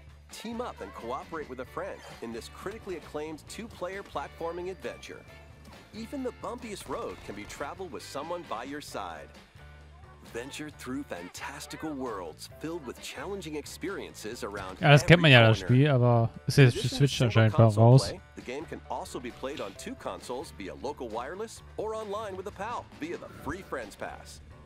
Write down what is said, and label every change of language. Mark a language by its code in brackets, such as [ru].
[en] Team up and cooperate with a friend in this critically acclaimed two-player platforming adventure. Even the bumpiest road can be traveled with someone by your side. Venture through fantastical worlds filled with challenging experiences around [de] ja, das kennt man ja, das Spiel, aber es ist jetzt Switch anscheinend raus. [en] Play, the game can also be played on two consoles via local wireless or online with a pal via the Free Friends Pass.